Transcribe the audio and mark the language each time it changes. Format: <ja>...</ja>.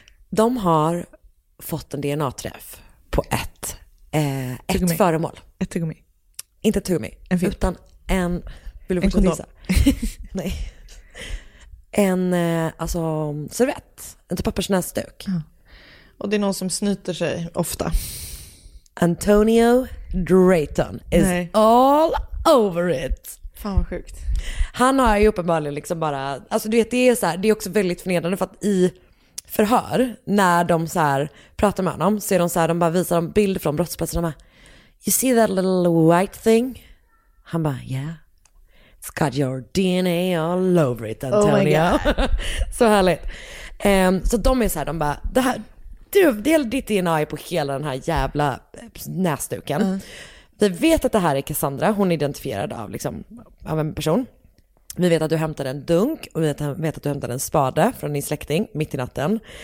<sv>De har fått en DNA-träff på ett föremål. Ett tuggummi. Inte ett tuggummi. En film. Utan en... Vill du en kondom. Nej. En alltså, servett. En pappersnäsduk. Ja. Och det är någon som snyter sig ofta.</sv> <en>Antonio Drayton is all over it.</en> <sv>Fan vad sjukt. Han har ju uppenbarligen liksom bara... Alltså du vet, det är så här, det är också väldigt förnedrande för att i... förhör, när de så här pratar med honom, så är de så här, de bara visar dem bild från brottsplatsen, de bara,</sv> <en>you see that little white thing?</en> <sv>Han bara, yeah.</sv> <en>It's got your DNA all over it, Antonio. Oh my God.</en> <sv>Så härligt. Så de är så här, de bara, det här, du, del ditt DNA är på hela den här jävla näsduken. Vi vet att det här är Cassandra. Hon är identifierad av, liksom, av en person. Vi vet att du hämtade en dunk och vi vet att du hämtade en spade från din släkting mitt i natten.</sv>